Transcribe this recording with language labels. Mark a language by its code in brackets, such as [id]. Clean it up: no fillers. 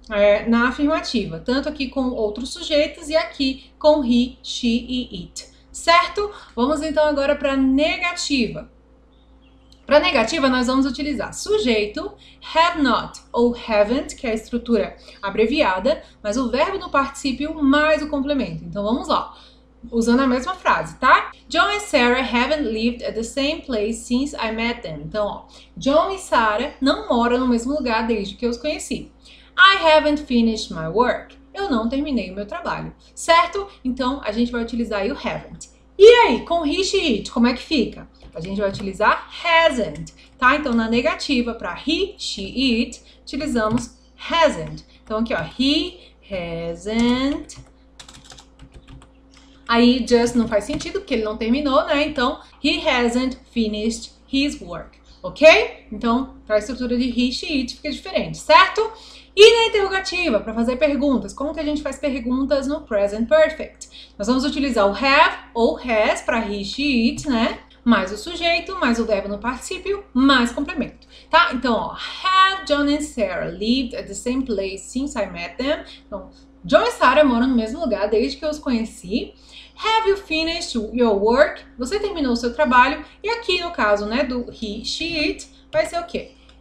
[pt] É, na afirmativa, tanto aqui com outros sujeitos e aqui com he, she e it, certo? Vamos então agora para a negativa. Para a negativa, nós vamos utilizar sujeito, have not ou haven't, que é a estrutura abreviada, mas o verbo no particípio mais o complemento. Então vamos lá, usando a mesma frase, tá? [en] John and Sarah haven't lived at the same place since I met them. [pt] Então, ó, John e Sarah não moram no mesmo lugar desde que eu os conheci. [en] I haven't finished my work. [pt] Eu não terminei o meu trabalho, certo? Então a gente vai utilizar aí o haven't. E aí, com he, she, it, como é que fica? A gente vai utilizar hasn't, tá? Então na negativa para he, she, it, utilizamos hasn't. Então aqui, ó, he hasn't. Aí just não faz sentido porque ele não terminou, né? Então [en] he hasn't finished his work. [pt] Ok? Então, para a estrutura de he, she, it fica diferente, certo? E na interrogativa, para fazer perguntas, como que a gente faz perguntas no present perfect? Nós vamos utilizar o have ou has para he, she, it, né? Mais o sujeito, mais o verbo no particípio, mais complemento, tá? Então, ó, [en] have John and Sarah lived at the same place since I met them? [pt] Então, John e Sarah moram no mesmo lugar desde que eu os conheci. [en] Have you finished your work? [pt] Você terminou o seu trabalho? E aqui no caso, né, do he, she, it, vai ser o quê?